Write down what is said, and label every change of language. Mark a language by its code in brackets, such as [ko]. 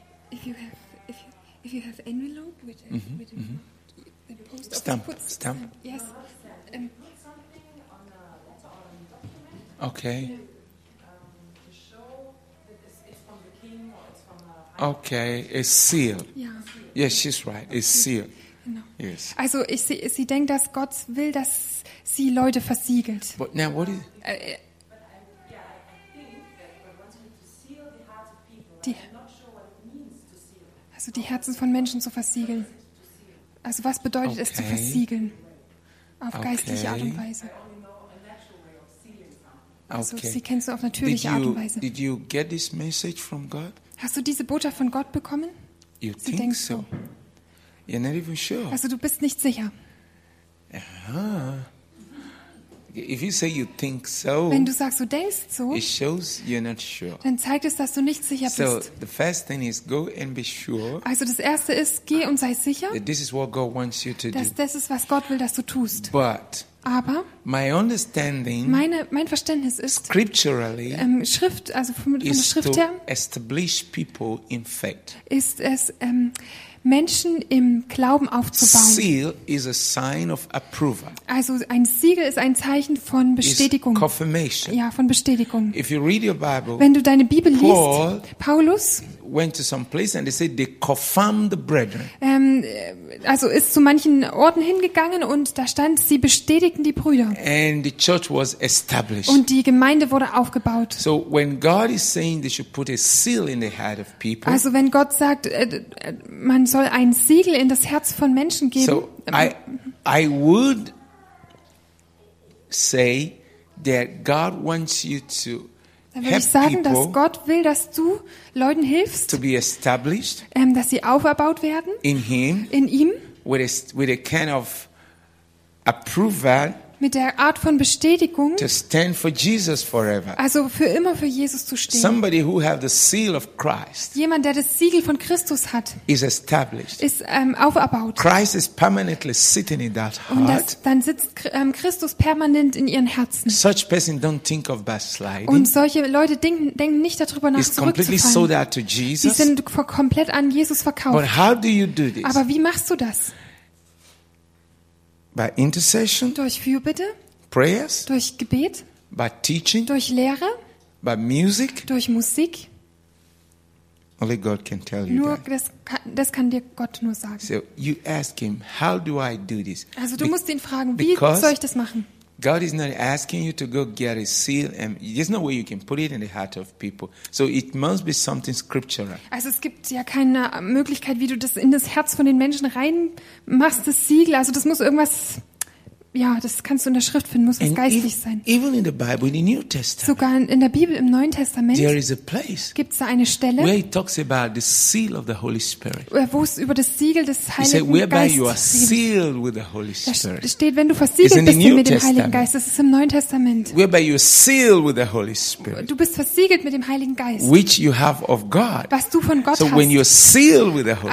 [en] If you have envelope with the post office, stamp. Yes. Put something on a letter or a document. Okay. To show that it's from the king or it's from a. Okay, a seal. Yeah. Yes, she's right. A seal. No. Yes. [de] Also sie denkt, dass Gott will, dass sie Leute versiegelt. [en] But now what is? [de] Also die Herzen von Menschen zu versiegeln. Also was bedeutet es zu versiegeln? Auf geistliche Art und Weise. Also sie kennst du auf natürliche Art und Weise. [en] Did you get this message from God? [de] Hast du diese Botschaft von Gott bekommen? [en] You think so? [de] Denkst du? [en] You're not even sure. [de] Also du bist nicht sicher. [en] If you say you think so, [de] wenn du sagst, du denkst so, [en] it shows you're not sure. [de] Dann zeigt es, dass du nicht sicher bist. [en] So the first thing is go and be sure. [de] Also das erste ist, geh und sei sicher. [en] That this is what God wants you to do. [de] Das ist, was Gott will, dass du tust. [en] But [de] aber [en] my understanding, [de] mein Verständnis ist, [en] scripturally, [de] Schrift, also von der Schrift her, [en] establish people in faith. [de] Ist es Menschen im Glauben aufzubauen. [en] Seal is a sign of approval. [de] Also ein Siegel ist ein Zeichen von Bestätigung. [en] It's confirmation. [de] Ja, von Bestätigung. [en] If you read your Bible, [de] wenn du deine Bibel liest, [en] Paulus went to some place and they said they confirmed the brethren. [de] Also ist zu manchen Orten hingegangen und da stand, sie bestätigten die Brüder. [en] And the church was established. [de] Und die Gemeinde wurde aufgebaut. [en] So when God is saying they should put a seal in the heart of people. [de] Also wenn Gott sagt, man soll ein Siegel in das Herz von Menschen geben. [en] So I would say that God wants you to. [de] Dann würde ich sagen, dass Gott will, dass du Leuten hilfst, [en] to be established, [de] dass sie aufgebaut werden [en] in, him, [de] in ihm [en] with a kind of approval, [de] mit der Art von Bestätigung, [en] to stand for Jesus forever. [de] Also für immer für Jesus zu stehen. [en] Somebody who have the seal of Christ, [de] jemand, der das Siegel von Christus hat, [en] is established, [de] ist aufgebaut. [en] Christ is permanently sitting in that heart. [de] Und dann sitzt Christus permanent in ihren Herzen. [en] Such person don't think of backsliding. [de] Und solche Leute denken nicht darüber nach, zurückzufallen. [en] Is completely sold out to Jesus. [de] Sie sind komplett an Jesus verkauft. [en] But how do you do this? [de] Aber wie machst du das? [en] By intercession. [de] Durch Fürbitte. [en] Prayers. [de] Durch Gebet. [en] By teaching. [de] Durch Lehre. [en] By music. [de] Durch Musik. [en] Only God can tell you [de] nur [en] that. [de] Das kann dir Gott nur sagen. [en] So you ask him, how do I do this? [de] Also du musst ihn fragen, wie soll ich das machen? [en] God is not asking you to go get a seal, and there's no way you can put it in the heart of people. So it must be something scriptural. [de] Also es gibt ja keine Möglichkeit, wie du das in das Herz von den Menschen reinmachst, das Siegel. Also das muss irgendwas, ja, das kannst du in der Schrift finden, muss es geistlich sein. [en] Even in the Bible, in the New Testament. [de] Sogar in der Bibel im Neuen Testament. [en] There is a place. [de] Gibt's da eine Stelle? [en] Where it talks about the seal of the Holy Spirit. [de] Wo es über das Siegel des Heiligen Geistes. He [en] said, whereby you are sealed with the Holy Spirit. [de] Da steht, wenn du versiegelt bist mit dem Heiligen Geist, das ist im Neuen Testament. [en] Whereby you are sealed with the Holy Spirit. [de] Du bist versiegelt mit dem Heiligen Geist. [en] Which you have of God. [de] Was du von Gott hast. [en] So when you're sealed with the Holy Spirit.